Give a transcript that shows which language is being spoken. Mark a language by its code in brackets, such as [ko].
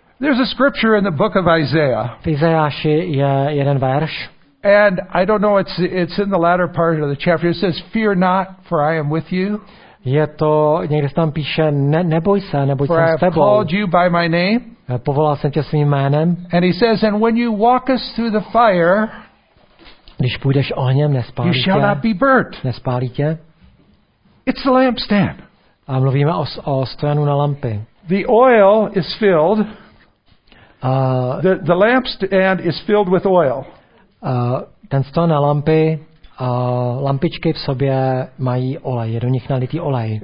[en] There's a scripture in the book of Isaiah. [cs] V Izajáši je jeden verš. [en] And I don't know, it's in the latter part of the chapter. It says, fear not, for I am with you. [cs] Je to, někde tam píše, neboj se, neboj [en] for [cs] jsem [en] I [cs] s tebou. [en] For I have called you by my name. [cs] Povolal jsem tě svým jménem. [en] And he says, and when you walk us through the fire, [cs] když půjdeš ohněm, nespálí tě. [en] You shall not be burnt. [cs] Nespálí tě. [en] It's the lampstand. [cs] A mluvíme o stojanu na lampy. [en] The oil is filled. The lampstand is filled with oil. [cs] Ten stojan na lampy, lampičky v sobě mají olej, je do nich nalitý olej.